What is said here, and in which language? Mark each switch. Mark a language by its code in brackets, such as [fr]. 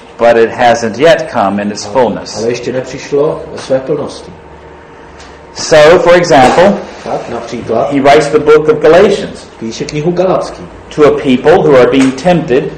[en] but it hasn't yet come in its fullness. [cs] Ale ještě nepřišlo ve své plnosti. [en] So, for example, [cs] například, [en] he writes the book of Galatians, [cs] píše knihu Galatský, [en] to a people who are being tempted,